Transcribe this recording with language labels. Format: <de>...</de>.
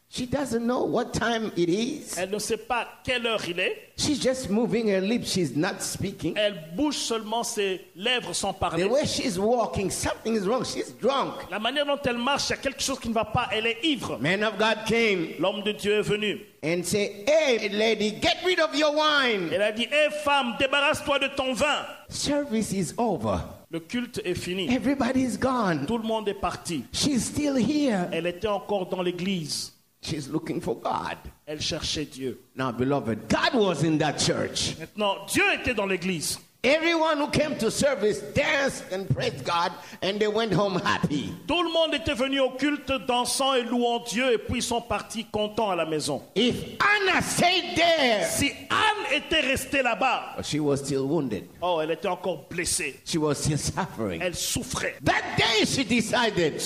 <en>She doesn't know what time it is.</en> <fr>Elle ne sait pas quelle heure il est.</fr> <en>She's just moving her lips. She's not speaking.</en> <fr>Elle bouge seulement ses lèvres sans parler.</fr> <en>The way she's walking, something is wrong. She's drunk.</en> <fr>La manière dont elle marche, il y a quelque chose qui ne va pas. Elle est ivre.</fr> <en>Man of God came.</en> <fr>L'homme de Dieu est venu.</fr> <en>And say, "Hey, lady, get rid of your wine."</en> <fr>Elle a dit, "Hey, femme, débarrasse-toi de ton vin."</fr> <en>Service is over.</en> <fr>Le culte est fini.</fr> <en>Everybody is gone.</en> <fr>Tout le monde est parti.</fr> <en>She's still here.</en> <fr>Elle était encore dans l'église.</fr> <en>She's looking for God.</en> <fr>Elle cherchait Dieu.</fr> <en>Now, beloved, God was in that church.</en> <fr>Maintenant, Dieu était dans l'église.</fr> <en>Everyone who came to service danced and praised God, and they went home happy.</en> <fr>Tout le monde était venu au culte dansant et louant Dieu, et puis sont partis contents à la maison.</fr> <en>If Anna stayed there,</en> <fr>si Anne était restée là-bas,</fr> <en>she was still wounded.</en> <fr>Oh, elle était encore blessée.</fr> <en>She was still suffering.</en> <fr>Elle souffrait.</fr> <en>That day she decided.</en>